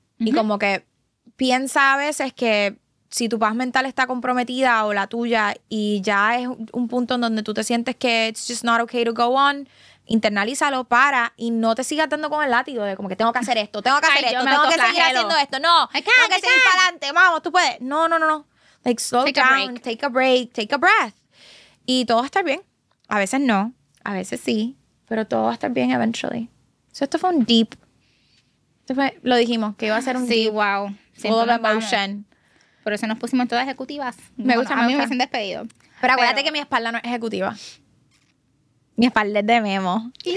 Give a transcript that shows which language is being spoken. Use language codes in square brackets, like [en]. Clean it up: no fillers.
[es] Y como que piensa a veces que si tu paz mental está comprometida o la tuya, y ya es un punto en donde tú te sientes que [en] it's just not okay to go on, [es] internalízalo, para, y no te sigas dando con el látigo de como que tengo que hacer esto, tengo que hacer esto, tengo que seguir haciendo esto. No, tengo que seguir para adelante, vamos, tú puedes. No. [en] Like, slow down, take a break, take a breath. [es] Y todo va a estar bien. A veces no, a veces sí, pero todo va a estar bien eventually. So esto fue un deep. Esto fue, lo dijimos, que iba a ser un sí, Sí, wow. [en] Full of emotion. [es] Por eso nos pusimos todas ejecutivas. Me gusta, a mí me hubiesen despedido. Pero acuérdate que mi espalda no es ejecutiva. Mi espalda es de memo.